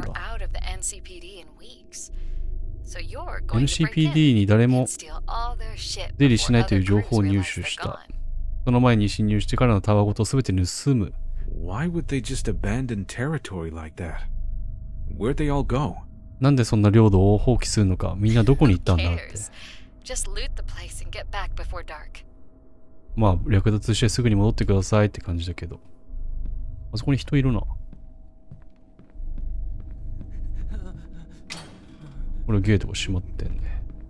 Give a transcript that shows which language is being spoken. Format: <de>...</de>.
<en>or out of the NCPD in weeks. So you're going to</en> <ja>NCPD に誰も出入りしないという情報を入手した。その前に侵入してからのタワごとすべて盗む。</ja> <en>Why would they just abandon territory like that? Where'd they all go?</en> <ja>なんでそんな領土を放棄するのか。みんなどこに行ったんだって。</ja> <en>Just loot the place and get back before dark.</en> <ja>まあ略奪してすぐに戻ってくださいって感じだけど、あそこに人いるな。これゲートが閉まってんね。</ja>